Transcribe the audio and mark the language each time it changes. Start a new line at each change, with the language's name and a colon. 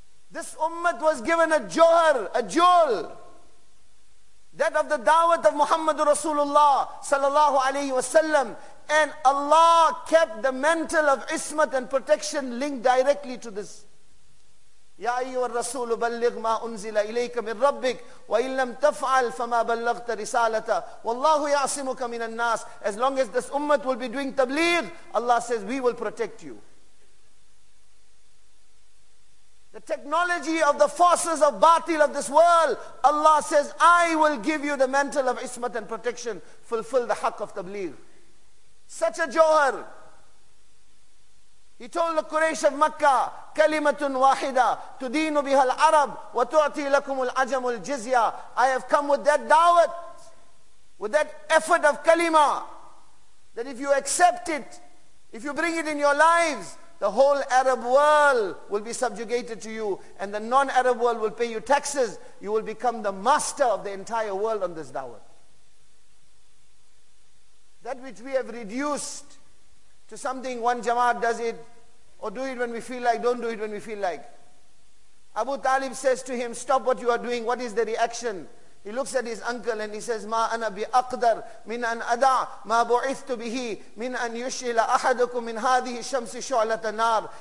English: This ummah was given a johar, a jewel, that of the dawat of Muhammadur Rasulullah sallallahu alayhi wasallam, and Allah kept the mantle of ismat and protection linked directly to this.
Arabic: يا أيها الرسول بلغ ما أنزل إليك من ربك وإن لم تفعل فما بلغت رسالته والله يعصمك من الناس.
English: As long as this ummah will be doing tabligh, Allah says we will protect you. The technology of the forces of batil of this world, Allah says I will give you the mantle of ismat and protection. Fulfill the haq of tabligh. Such a johar. He told the Quraysh of Makkah,
Arabic: كَلِمَةٌ وَاحِدَةٌ تُدِينُ بِهَا الْعَرَبُ وَتُعْتِي لَكُمُ الْعَجَمُ الْجِزْيَةُ.
English: I have come with that da'wat, with that effort of kalima, that if you accept it, if you bring it in your lives, the whole Arab world will be subjugated to you, and the non-Arab world will pay you taxes. You will become the master of the entire world on this da'wat. That which we have reduced to something, one jama'at does it, or do it when we feel like, don't do it when we feel like. Abu Talib says to him, stop what you are doing, what is the reaction? He looks at his uncle and he says,
Arabic: مَا أَنَا بِأَقْدَرْ مِنْ أَنْ أَدَعْ مَا بُعِثْتُ بِهِ مِنْ أَنْ يُشْهِلَ أَحَدُكُمْ مِنْ هَذِهِ شَمْسِ شُعْلَةَ النَّارِ.